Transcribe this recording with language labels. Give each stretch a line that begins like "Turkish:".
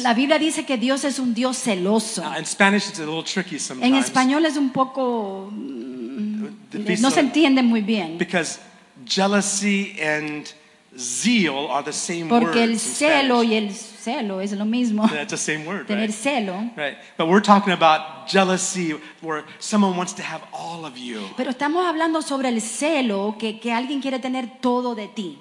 Spanish: La Biblia dice que Dios es un Dios celoso.
English: In Spanish it's a little tricky sometimes.
Spanish: En español es un poco no se entiende muy bien.
English: Because jealousy and zeal are the same
Spanish: porque Porque el celo y el celo es lo mismo.
English: That's the same word,
Spanish: tener
English: right?
Spanish: Celo.
English: Right. But we're talking about jealousy where someone wants to have all of you.
Spanish: Pero estamos hablando sobre el celo que alguien quiere tener todo de ti.